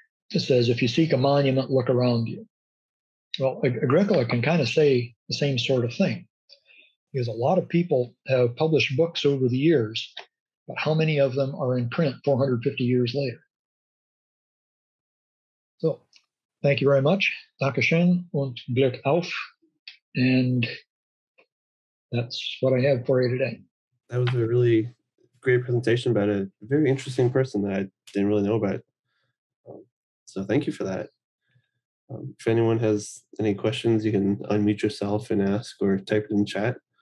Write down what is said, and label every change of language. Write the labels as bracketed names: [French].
[English] It says, "If you seek a monument, look around you." Well, Agricola can kind of say the same sort of thing, because a lot of people have published books over the years, but how many of them are in print 450 years later? So, thank you very much. [German] Dankeschön und Glück auf. [English] And that's what I have for you today. That was a really great presentation about a very interesting person that I didn't really know about. So thank you for that. If anyone has any questions, you can unmute yourself and ask or type in chat.